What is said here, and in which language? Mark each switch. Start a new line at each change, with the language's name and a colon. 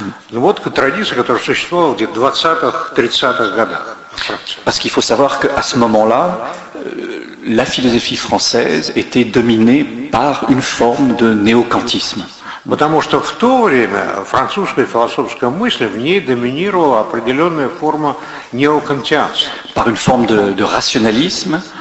Russian: Ну вот традиция, которая существовала где-то в 20-30-х годах.
French: Parce qu'il faut savoir qu'à ce moment-là, la philosophie française était dominée par une forme de néo-kantisme.
Russian: Потому что в то время французская философская мысль, в ней доминировала определенная форма неокантианства.
French: Par une forme de rationalisme.